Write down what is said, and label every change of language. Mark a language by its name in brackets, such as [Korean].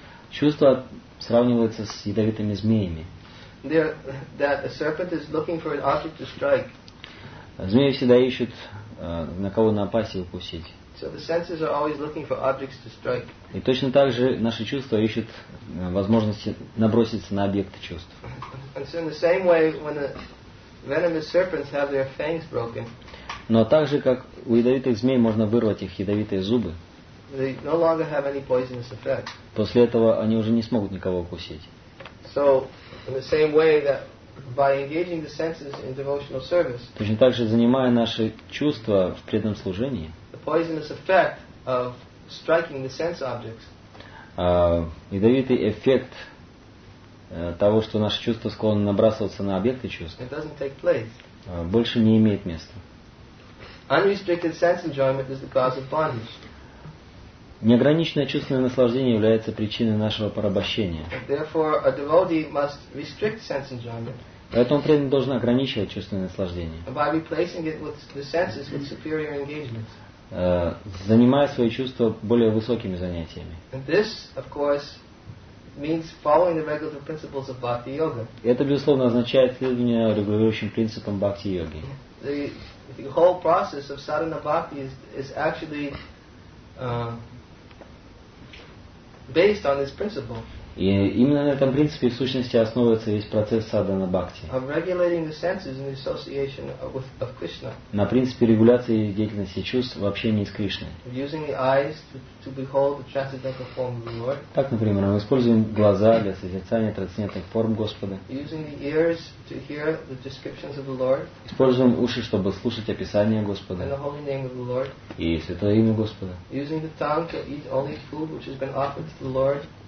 [Russian] Чувства сравниваются с ядовитыми змеями. [English] that a serpent is looking for an object to strike. [Russian] Змеи всегда ищут, на кого напасть и укусить. [English] So the senses are always looking for objects to strike. [Russian] И точно так же наши чувства ищут возможности наброситься на объекты чувств. [English] And so in the same way, when the venomous serpents have their fangs broken. [Russian] Но так же, как у ядовитых змей можно вырвать их ядовитые зубы. [English] They no longer have any poisonous effect. [Russian] После этого они уже не смогут никого укусить. [English] So in the same way that by engaging the senses in devotional service. [Russian] Точно так же, занимая наши чувства в преданном служении. [English] The poisonous effect of striking the sense objects. [Russian] Ядовитый эффект того, что наши чувства склонны набрасываться на объекты чувств. [English] It doesn't take place. [Russian] Больше не имеет места. [English] Unrestricted sense enjoyment is the cause of bondage. [Russian] Неограниченное чувственное наслаждение является причиной нашего порабощения. [English] Therefore, a devotee must restrict sense enjoyment. [Russian] Поэтому преданный должен ограничивать чувственное наслаждение. [English] By replacing it with the senses with superior engagements. [Russian] Занимая свои чувства более высокими занятиями. [English] And this, of course, means following the regulative principles of bhakti yoga. [Russian] Это безусловно означает следование регулирующим принципам бхакти йоги. [English] The whole process of sadhana bhakti is actually based on this principle. [Russian] И именно на этом принципе в сущности основывается весь процесс садхана бхакти. [English] Of regulating the senses in the association of Krishna. [Russian] На принципе регуляции деятельности чувств в общении с Кришной. [English] Using the eyes to behold the transcendental form of the Lord. [Russian] Так, например, мы используем глаза для созерцания трансцендентных форм Господа. [English] Using the ears to hear the descriptions of the Lord. [Russian] Используем уши, чтобы слушать описание Господа. [English] And the holy name of the Lord. [Russian] И святое имя Господа. [English] Using the tongue to eat only food which has been offered to the Lord.